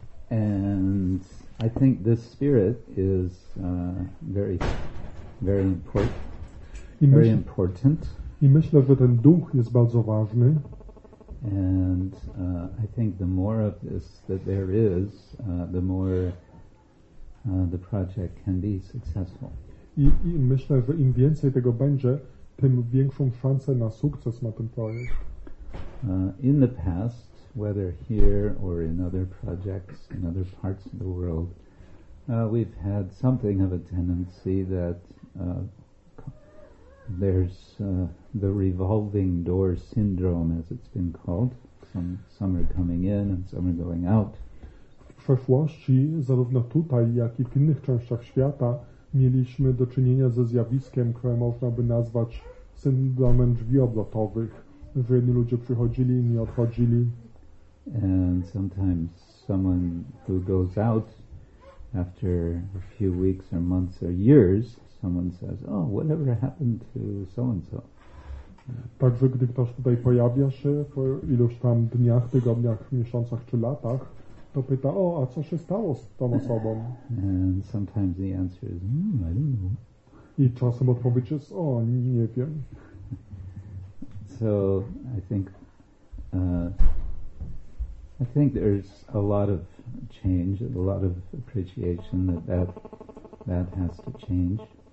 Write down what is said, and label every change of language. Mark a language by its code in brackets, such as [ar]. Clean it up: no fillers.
[en] And I think this spirit is very, very important. [pl] I myślę, że ten duch jest bardzo ważny. [en] And I think the more of this that there is, the more the project can be successful. [pl] I myślę, że im więcej tego będzie, tym większą szansę na sukces ma ten projekt. [en] In the past, whether here or in other projects in other parts of the world, we've had something of a tendency that there's the revolving door syndrome, as it's been called. Some are coming in and some are going out. [pl] W przeszłości, zarówno tutaj, jak i w innych częściach świata, mieliśmy do czynienia ze zjawiskiem, które można by nazwać syndromem drzwi obrotowych, że jedni ludzie przychodzili, inni odchodzili. [en] And sometimes someone who goes out after a few weeks or months or years, someone says, oh, whatever happened to so-and-so? [pl] Także gdy ktoś tutaj pojawia się po iluś tam dniach, tygodniach, miesiącach czy latach, to pyta, o, a co się stało z tą osobą? [en] And sometimes the answer is, I don't know. [pl] I czasem odpowiedź jest, o, nie wiem. [en] So I think there's a lot of change, a lot of appreciation that has to change.